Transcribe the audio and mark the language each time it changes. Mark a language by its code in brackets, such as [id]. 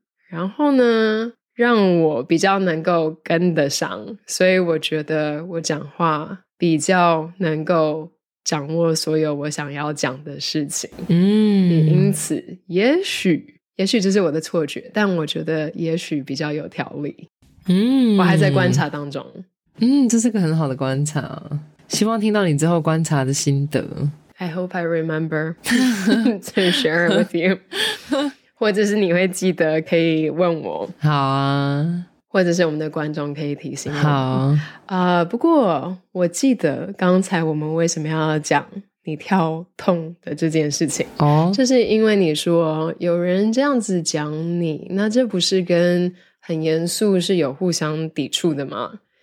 [zh] 然后呢让我比较能够跟得上，所以我觉得我讲话比较能够掌握所有我想要讲的事情，因此也许这是我的错觉，但我觉得也许比较有条理，我还在观察当中，这是个很好的观察，希望听到你之后观察的心得， [en] I hope I remember to share it with you. [zh] 或者是你会记得可以问我。好啊。或者是我们的观众可以提醒我。好。不过我记得刚才我们为什么要讲你跳痛的这件事情。哦。就是因为你说有人这样子讲你，那这不是跟很严肃是有互相抵触的吗？